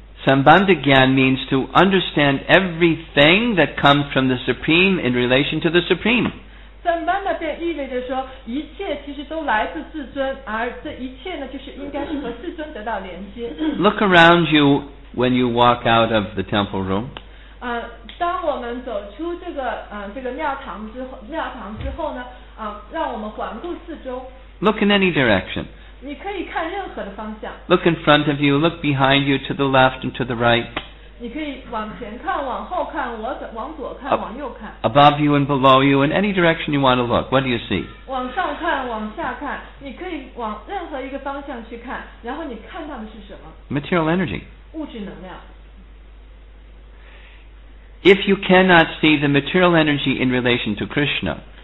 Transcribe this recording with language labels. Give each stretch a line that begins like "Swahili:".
English: Sambandha Gyan means to understand everything that comes from the Supreme in relation to the Supreme.
Chinese: Sambandha 便意味着说，一切其实都来自自尊，而这一切呢，就是应该是和自尊得到连接。
English: Look around you when you walk out of the temple room.
Chinese: 当我们走出这个这个庙堂之后，呢，让我们环顾四周。
English: Look in any direction.
Chinese: 你可以看任何的方向。
English: Look in front of you, look behind you, to the left and to the right.
Chinese: 你可以往前看，往后看，往左看，往右看。
English: Above you and below you, in any direction you want to look, what do you see?
Chinese: 往上看，往下看，你可以往任何一个方向去看，然后你看到的是什么？
English: Material energy.
Chinese: 物质能量。
English: If you cannot see the material energy in relation to Krishna,